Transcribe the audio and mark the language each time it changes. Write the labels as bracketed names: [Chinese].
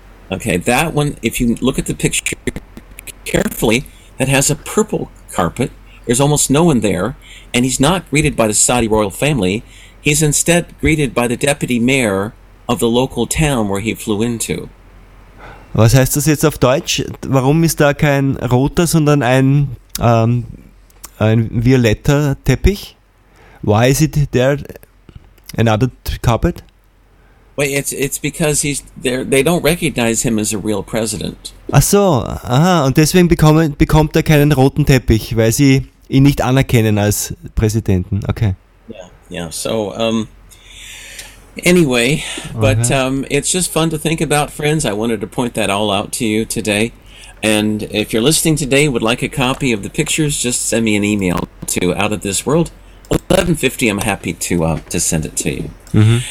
[English] Okay, that one, if you look at the picture carefully, that has a purple carpet. There's almost no one there, and he's not greeted by the Saudi royal family. He's instead greeted by the deputy mayor of the local town where he flew into. [German] Was heißt das jetzt auf Deutsch? Warum ist da kein roter, sondern ein violetter Teppich? [English] Why is it there another carpet? Wait, it's because he's there. They don't recognize him as a real president. [German] Ach so, aha, und deswegen bekommt er keinen roten Teppich, weil sie ihn nicht anerkennen als Präsidenten. [English] Okay. Yeah, so anyway, but it's just fun to think about, friends. I wanted to point that all out to you today. And if you're listening today and would like a copy of the pictures, just send me an email to outofthisworld1150. I'm happy to send it to you. Mm-hmm.